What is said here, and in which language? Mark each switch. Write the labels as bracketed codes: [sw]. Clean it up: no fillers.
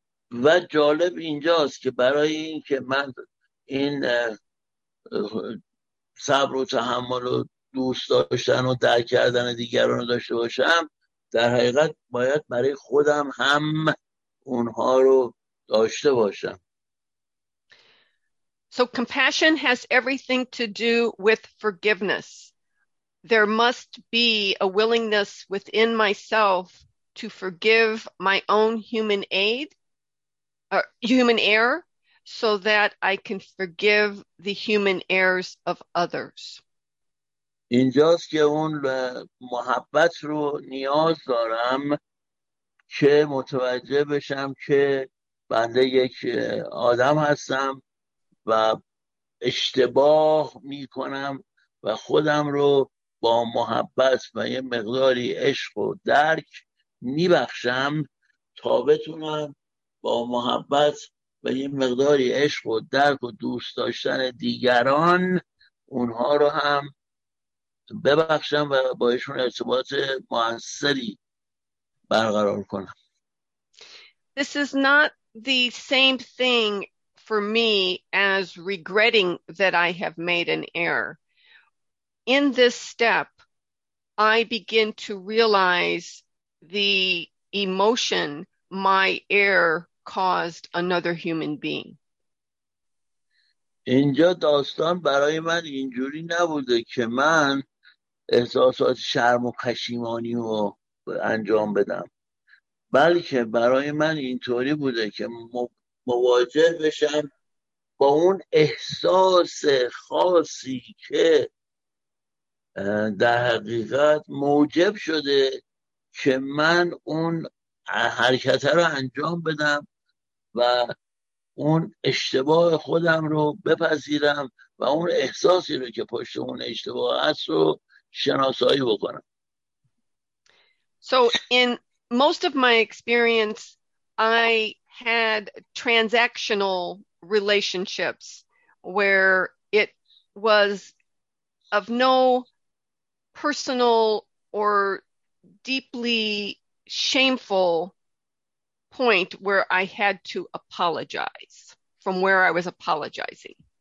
[fa] و جالب اینجاست که برای این که من این صبر و تحمل و دوست داشتن و درک کردن دیگران رو داشته باشم، در حقیقت باید برای خودم هم اونها رو داشته باشم. [en] So compassion has everything to do with forgiveness. There must be a willingness within myself to forgive my own human aid. Human error, so that I can forgive the human errors of others. [fa] اینجاست که اون محبت رو نیاز دارم که متوجه بشم که بنده یک آدم هستم و اشتباه می کنم و خودم رو با محبت و یه مقداری عشق و درک می بخشم تا بتونم با محبت و یه مقداری عشق و درک و دوست داشتن دیگران اونها رو هم ببخشم و باشون ارتباط موثری برقرار کنم. [en] This is not the same thing for me as regretting that I have made an error. In this step, I begin to realize the emotion my error caused another human being. [fa] اینجا داستان برای من اینجوری نبوده که من احساسات شرم و پشیمانی رو انجام بدم، بلکه برای من اینطوری بوده که مواجه بشم با اون احساس خاصی که در حقیقت موجب شده که من اون حرکت رو انجام بدم و اون اشتباه خودم رو بپذیرم و اون احساسی رو که پشت اون اشتباه هست رو شناسایی بکنم. [en] So in most of my experience, I had transactional relationships where it was of no personal or deeply shameful point where I had to apologize from where I was apologizing.